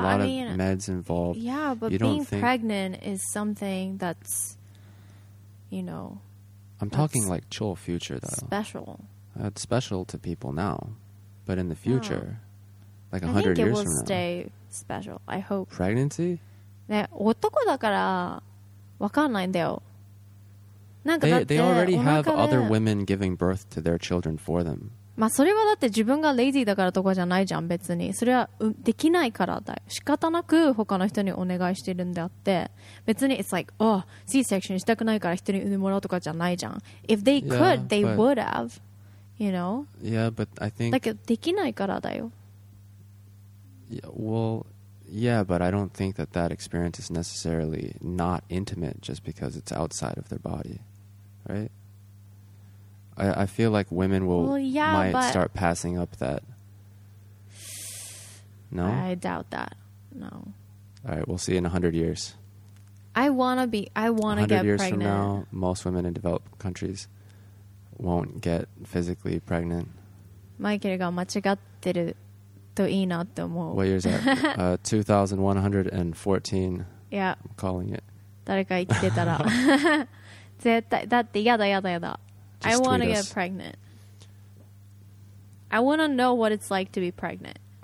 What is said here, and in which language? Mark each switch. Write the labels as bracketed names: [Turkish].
[English] a lot I mean, of meds involved. Yeah, but you being pregnant is something that's, you know, I'm talking like chill future though. Special. That's special to people now, but in the future, like 100 from now, I think it will stay special. I hope. Pregnancy? [Japanese] ね、男だからわかんないんだよ。なんかだって、 [English] they already have other women giving birth to their children for them. [Japanese] まあ、それはだって自分がレイジーだからとかじゃないじゃん、別に。それはできないからだよ。仕方なく他の人にお願いしてるんであって、別に [English] it's like, oh, [Japanese] C-section したくないから人に産んでもらうとかじゃないじゃん。 [English] If they could, they would have, you know? Yeah, but I think... [Japanese] だけどできないからだよ。 [English] Yeah, well, yeah, but I don't think that that experience is necessarily not intimate just because it's outside of their body, right? I feel like women will might start passing up that. No? I doubt that. No. All right, we'll see in 100 years. I want to get pregnant. 100 years from now, most women in developed countries won't get physically pregnant. [Japanese] マイケルが間違ってるといいなって思う。 [English] What year is that? 2114. Yeah. I'm calling it. [Japanese] 誰か生きてたら。絶対、だって嫌だ嫌だ嫌だ。 [English] Just、 I want to get pregnant. I want to know what it's like to be pregnant.